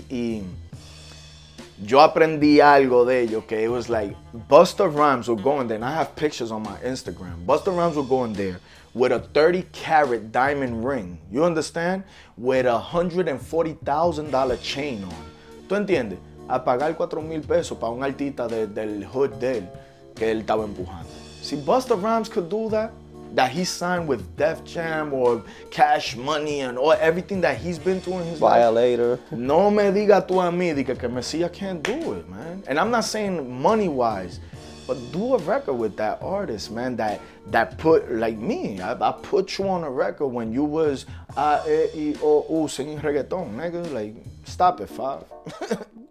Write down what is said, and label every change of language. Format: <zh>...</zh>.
<es>Y yo aprendí algo de ello, que</es> <en>it was like, Busta Rhymes would go in there, and I have pictures on my Instagram, Busta Rhymes would go in there with a 30 carat diamond ring, you understand? With a $140,000 chain on.</en> <es>¿Tú entiendes? A pagar 4,000 pesos para un artista del hood de él, que él estaba empujando.</es> <en>Si Busta Rhymes could do that, that he signed with Def Jam or Cash Money and all everything that he's been through in his Violator.</en> <es>Life. No me diga tú a mí, diga que Messiah</es> <en>can't do it, man. And I'm not saying money wise, but do a record with that artist, man, that put, like me, I put you on a record when you was A-E-I-O-U singing reggaeton, nigga. Like, stop it, Five.</en>